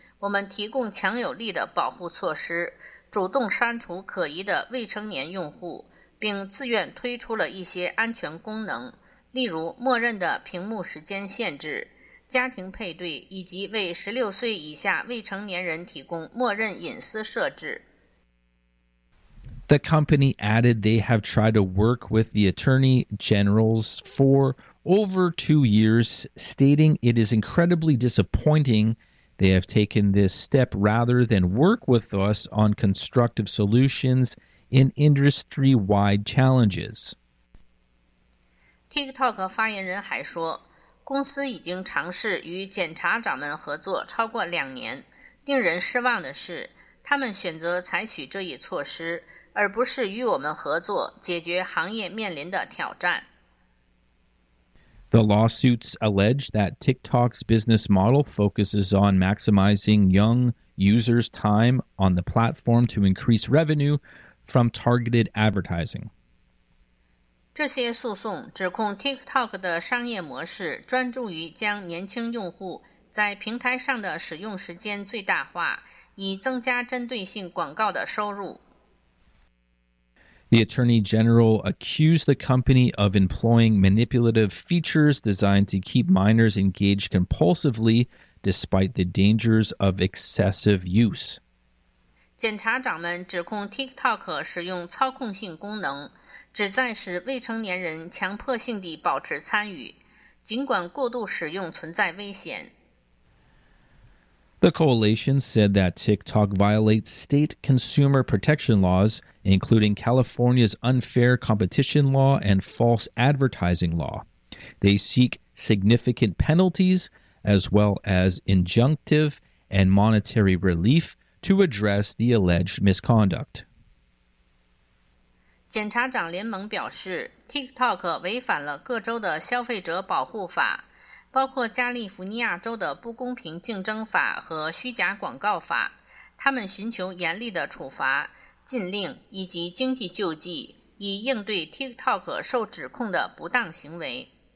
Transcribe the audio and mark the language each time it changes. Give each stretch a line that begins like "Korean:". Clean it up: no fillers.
Chinese: 我们提供强有力的保护措施，主动删除可疑的未成年用户，并自愿推出了一些安全功能，例如默认的屏幕时间限制、家庭配对以及为16岁以下未成年人提供默认隐私设置。
English: The company added they have tried to work with the attorney generals for over 2 years, stating it is incredibly disappointing they have taken this step rather than work with us on constructive solutions in industry-wide challenges.
Chinese: TikTok 发言人还说，公司已经尝试与检察长们合作超过两年。令人失望的是，他们选择采取这一措施。而不是与我们合作解决行业面临的挑战。
English: The lawsuits allege that TikTok's business model focuses on maximizing young users' time on the platform to increase revenue from targeted advertising.
Chinese: 这些诉讼指控 TikTok 的商业模式专注于将年轻用户在平台上的使用时间最大化，以增加针对性广告的收入。
English: The Attorney General accused the company of employing manipulative features designed to keep minors engaged compulsively despite the dangers of excessive use.
Chinese: 检察长们指控 TikTok 使用操控性功能，旨在使未成年人强迫性地保持参与，尽管过度使用存在危险。
English: The coalition said that TikTok violates state consumer protection laws, including California's unfair competition law and false advertising law. They seek significant penalties as well as injunctive and monetary relief to address the alleged misconduct.
Chinese: 检察长联盟表示 ,TikTok 违反了各州的消费者保护法,包括加利福尼亚州的不公平竞争法和虚假广告法。他们寻求严厉的处罚、禁令以及经济救济,以应对 TikTok 受指控的不当行为。